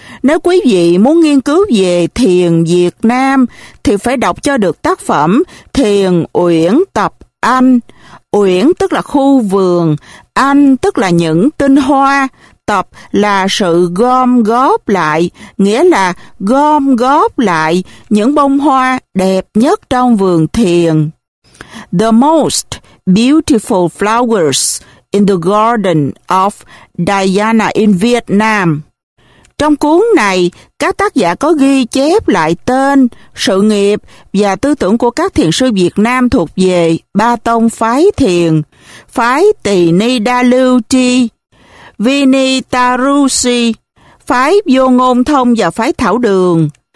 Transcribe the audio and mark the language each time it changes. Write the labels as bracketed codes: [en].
[vi] Nếu quý vị muốn nghiên cứu về thiền Việt Nam thì phải đọc cho được tác phẩm Thiền Uyển Tập Anh. Uyển tức là khu vườn, anh tức là những tinh hoa, tập là sự gom góp lại, nghĩa là gom góp lại những bông hoa đẹp nhất trong vườn thiền. [en] The most beautiful flowers in the garden of Dhyana in Vietnam. [vi] Trong cuốn này, các tác giả có ghi chép lại tên, sự nghiệp và tư tưởng của các thiền sư Việt Nam thuộc về ba tông phái thiền: phái Tỳ Ni Đa Lưu Tri, Vinitarusi, phái Vô Ngôn Thông và phái Thảo Đường.